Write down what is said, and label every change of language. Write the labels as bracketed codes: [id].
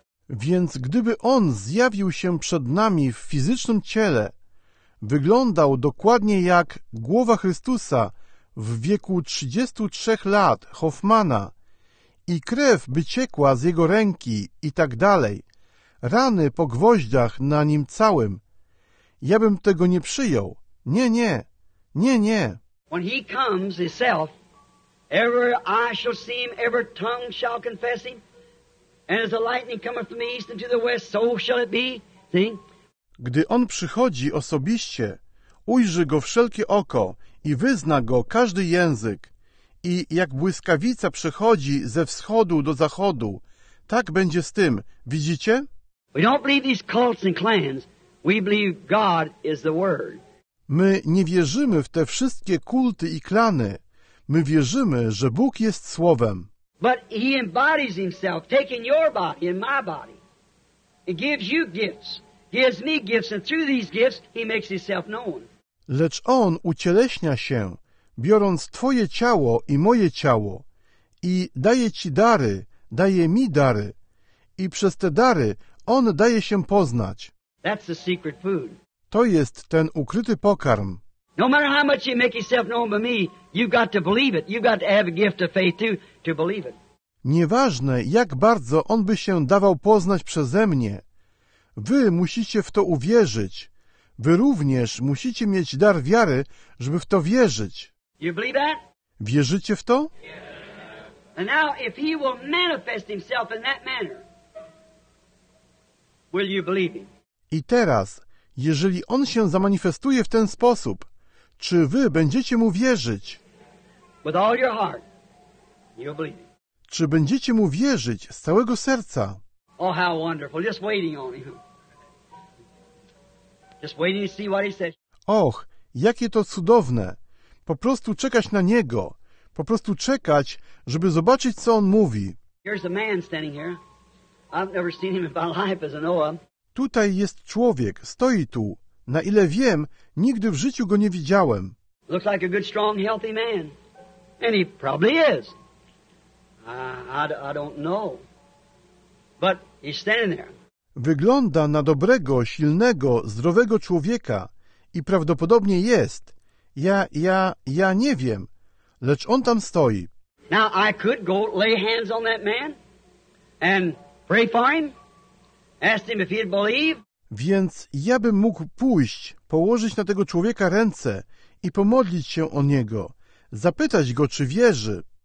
[pl] Więc gdyby on zjawił się przed nami w fizycznym ciele, wyglądał dokładnie jak głowa Chrystusa w wieku 33 lat Hoffmana i krew by ciekła z jego ręki i tak dalej, rany po gwoździach na nim całym, ja bym tego nie przyjął. Nie. [en] When he comes himself, every eye shall see him, every tongue shall confess him. And as the lightning cometh from the east and to the west, so shall it be. See? [pl] Gdy on przychodzi osobiście, ujrzy go wszelkie oko i wyzna go każdy język. I jak błyskawica przechodzi ze wschodu do zachodu, tak będzie z tym. Widzicie? [en] We don't believe these cults and clans. We believe God is the Word. [pl] My nie wierzymy w te wszystkie kulty i klany. My wierzymy, że Bóg jest Słowem. [en] But he embodies himself, taking your body and my body. He gives you gifts, gives me gifts, and through these gifts he makes himself known. [pl] Lecz on ucieleśnia się, biorąc twoje ciało i moje ciało, i daje ci dary, daje mi dary, i przez te dary on daje się poznać. [en] That's the secret food. [pl] To jest ten ukryty pokarm. [en] No matter how much you make yourself known by me, you've got to believe it. You've got to have a gift of faith too to believe it. [pl] Nieważne, jak bardzo on by się dawał poznać przeze mnie. Wy musicie w to uwierzyć. Wy również musicie mieć dar wiary, żeby w to wierzyć. [en] You believe that? [pl] Wierzycie w to? [en] Yeah. And now if he will manifest himself in that manner, will you believe him? [pl] I teraz, jeżeli on się zamanifestuje w ten sposób, czy wy będziecie mu wierzyć? [en] With all your heart, you'll believe him. [pl] Czy będziecie mu wierzyć z całego serca? [en] Oh, how wonderful. Just waiting on him. Just waiting to see what he says. [pl] Och, jakie to cudowne. Po prostu czekać na niego. Po prostu czekać, żeby zobaczyć, co on mówi. [en] Here's a man standing here. I've never seen him in my life as a Noah. [pl] Tutaj jest człowiek, stoi tu. Na ile wiem, nigdy w życiu go nie widziałem. [en] Looks like a good, strong, healthy man. And he probably is. I don't know. But he's standing there. [pl] Wygląda na dobrego, silnego, zdrowego człowieka i prawdopodobnie jest. Ja nie wiem, lecz on tam stoi. [en] Now I could go lay hands on that man and pray for him. Ask him if he'd believe. [pl] Więc ja bym mógł pójść, położyć na tego człowieka ręce i pomodlić się o niego, zapytać go, czy wierzy.